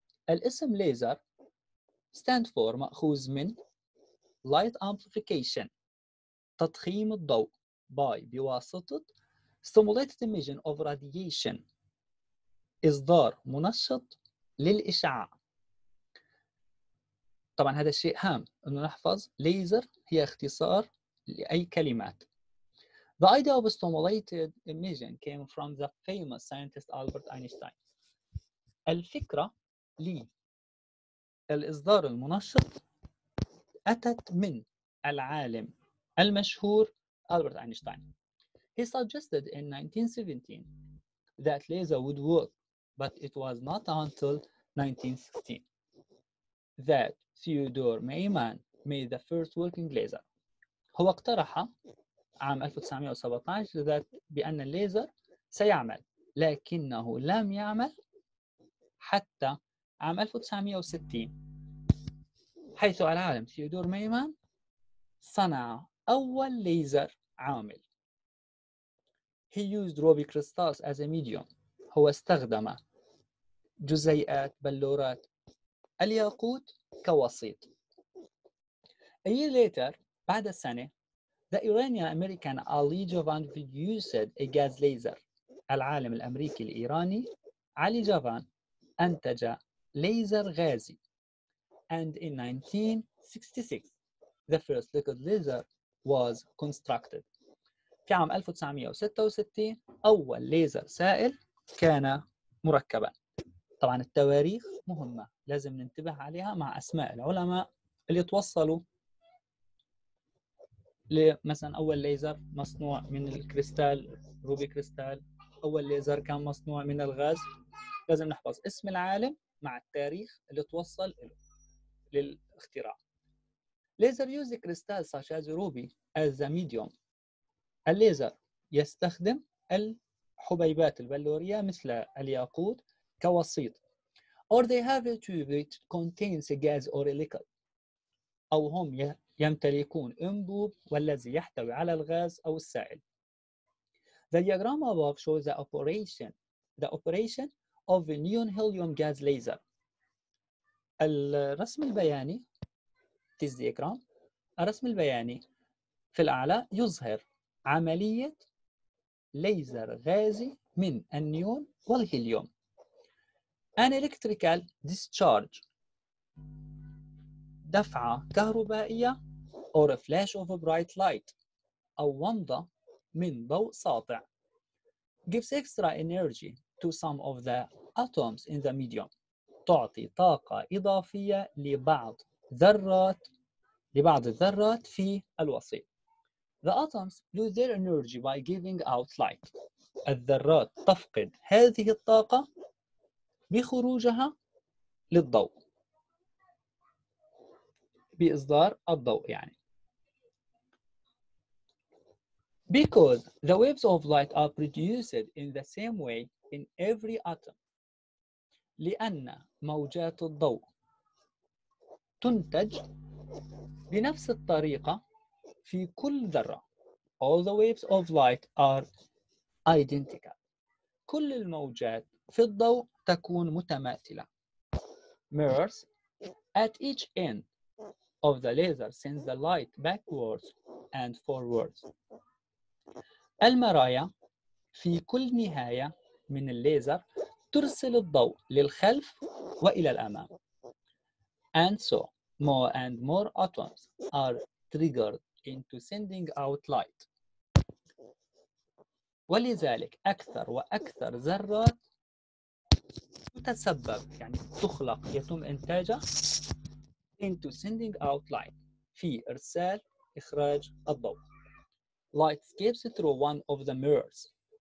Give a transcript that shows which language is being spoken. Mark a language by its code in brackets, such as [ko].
[ar] الاسم [en] laser stands for [ar] مأخوذ من [en] light amplification, [ar] تضخيم الضوء [en] by [ar] بواسطة [en] stimulated emission of radiation, [ar] إصدار منشط للإشعاع. طبعا هذا الشيء هام انه نحفظ ليزر هي اختصار لاي كلمات. [en] The idea of stimulated emission came from the famous scientist Albert Einstein. [ar] الفكره للاصدار المنشط اتت من العالم المشهور Albert Einstein. [en] He suggested in 1917 that laser would work, but it was not until 1916 that Theodore Mayman made the first working laser. [ar] هو اقترح عام 1917 ذات بأن الليزر سيعمل، لكنه لم يعمل حتى عام 1960، حيث العالم ثيودور مايمان صنع أول ليزر عامل. [en] He used ruby crystals as a medium. [ar] هو استخدم جزيئات بلورات الياقوت كوسيط. [en] A year later, [ar] بعد سنة, [en] the Iranian-American Ali Javan produced a gas laser. [ar] العالم الأمريكي الإيراني علي جافان أنتج ليزر غازي. [en] And in 1966, the first liquid laser was constructed. [ar] في عام 1966 أول ليزر سائل كان مركبا. طبعا التواريخ مهمة، لازم ننتبه عليها مع أسماء العلماء اللي توصلوا لمثلا أول ليزر مصنوع من الكريستال، روبي كريستال. أول ليزر كان مصنوع من الغاز. لازم نحفظ اسم العالم مع التاريخ اللي توصل له للاختراع. [en] Laser use crystal such as ruby as a medium. [ar] الليزر يستخدم الحبيبات البلورية مثل الياقوت كوسيط. [en] Or they have a tube which contains a gas or a liquid. [ar] أو هم يمتلكون أنبوب والذي يحتوي على الغاز أو السائل. [en] The diagram above shows the operation of a neon helium gas laser. [ar] الرسم البياني [en] this diagram [ar] الرسم البياني في الأعلى يظهر عملية ليزر غازي من النيون والهيليوم. [en] An electrical discharge [ar] دفعة كهربائية [en] or a flash of a bright light [ar] أو ومضة من ضوء ساطع [en] gives extra energy to some of the atoms in the medium [ar] تعطي طاقة إضافية لبعض الذرات في الوسيط. [en] The atoms lose their energy by giving out light. [ar] الذرات تفقد هذه الطاقة بخروجها للضوء. بإصدار الضوء يعني. [en] Because the waves of light are produced in the same way in every atom. [ar] لأن موجات الضوء تنتج بنفس الطريقة في كل ذرة. [en] All the waves of light are identical. [ar] كل الموجات في الضوء تكون متماثلة. [en] Mirrors at each end of the laser send the light backwards and forwards. [ar] المرايا في كل نهاية من الليزر ترسل الضوء للخلف وإلى الأمام. [en] And so more and more atoms are triggered into sending out light. [ar] ولذلك أكثر وأكثر ذرات تتسبب يعني تخلق يتم إنتاجها [en] into sending out light [ar] في إرسال إخراج الضوء. [en] Light escapes through one of the mirrors.